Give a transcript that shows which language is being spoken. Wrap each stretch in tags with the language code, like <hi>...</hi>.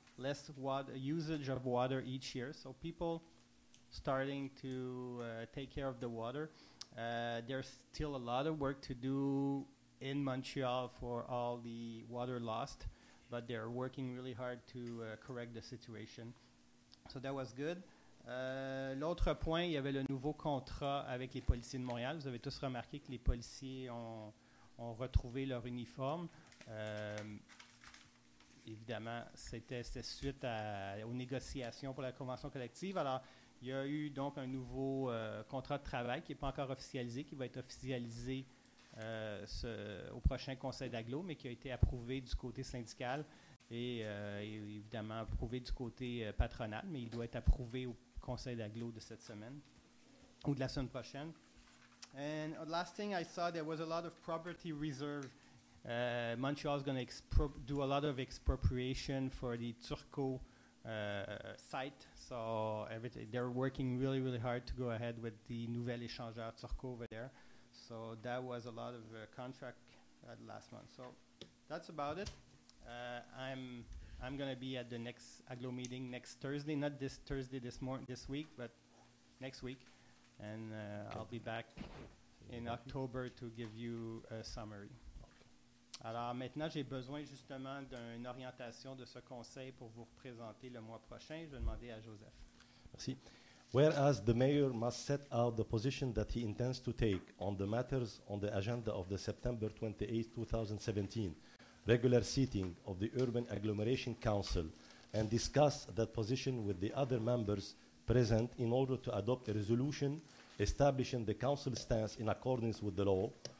<en>less water usage of water each year. So people starting to take care of the water. There's still a lot of work to do in Montreal for all the water lost, but they're working really hard to correct the situation. So that was good.</en> <fr>L'autre point, il y avait le nouveau contrat avec les policiers de Montréal. Vous avez tous remarqué que les policiers ont retrouvé leur uniforme. Évidemment, c'était suite aux négociations pour la convention collective. Alors, il y a eu donc un nouveau contrat de travail qui n'est pas encore officialisé, qui va être officialisé au prochain conseil d'agglo, mais qui a été approuvé du côté syndical et évidemment approuvé du côté patronal, mais il doit être approuvé au conseil d'agglo de cette semaine ou de la semaine prochaine.</fr> <en>And the last thing I saw, there was a lot of property reserve. Montreal is going to do a lot of expropriation for the Turco site. So they're working really, really hard to go ahead with the Nouvel Échangeur Turco over there. So that was a lot of contract last month. So that's about it. I'm going to be at the next Aglo meeting next Thursday, not this Thursday this week, but next week. And I'll be back in October to give you a summary.</en> <fr>Alors, maintenant, j'ai besoin justement d'une orientation de ce conseil pour vous représenter le mois prochain. Je vais demander à Joseph. Merci.</fr> <en>Whereas the mayor must set out the position that he intends to take on the matters on the agenda of the September 28, 2017 regular sitting of the Urban Agglomeration Council and discuss that position with the other members present in order to adopt a resolution establishing the council stance in accordance with the law,</en>